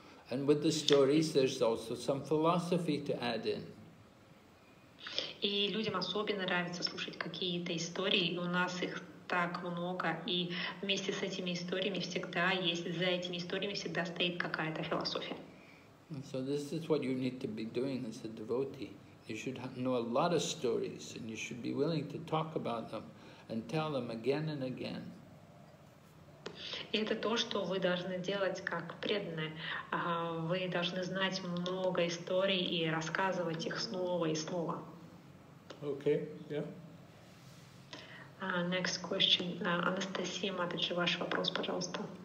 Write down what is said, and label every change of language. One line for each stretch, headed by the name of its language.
English: And with the stories, there's also some philosophy to add in.
Russian: И людям особенно нравится слушать какие-то истории, и у нас их так много, и вместе с этими историями всегда есть, за этими историями всегда стоит какая-то философия.
English: And so this is what you need to be doing as a devotee. You should know a lot of stories, and you should be willing to talk about them and tell them again and again.
Russian: И это то, что вы должны делать как преданные. Вы должны знать много историй и рассказывать их снова и снова.
English: Okay, yeah. Next question.
Russian: Анастасия Матаджи, ваш вопрос, пожалуйста.